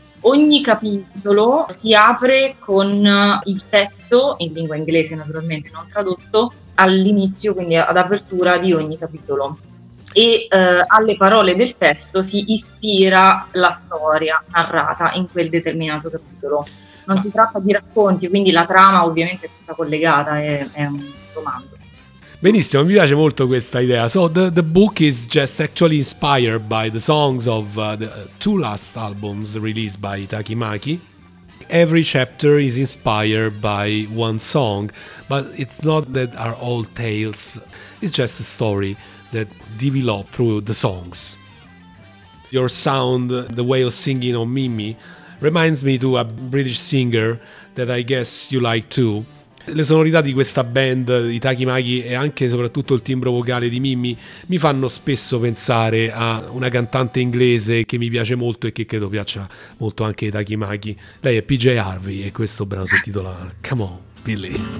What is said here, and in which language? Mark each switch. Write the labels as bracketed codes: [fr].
[it] Ogni capitolo si apre con il testo, in lingua inglese naturalmente, non tradotto, all'inizio, quindi ad apertura di ogni capitolo. E alle parole del testo si ispira la storia narrata in quel determinato capitolo. Non si tratta di racconti, quindi la trama ovviamente è tutta collegata, è un romanzo. Benissimo, mi piace molto questa idea. [en] So the book is just actually inspired by the songs of the two last albums released by Takimaki. Every chapter is inspired by one song, but it's not that are all tales. It's just a story that developed through the songs. Your sound, the way of singing on Mimi, reminds me to a British singer that I guess you like too. [it] Le sonorità di questa band, i Takimaki, e anche e soprattutto il timbro vocale di Mimmi, mi fanno spesso pensare a una cantante inglese che mi piace molto e che credo piaccia molto anche ai Takimaki. Lei è PJ Harvey e questo brano si intitola Come On, Billy.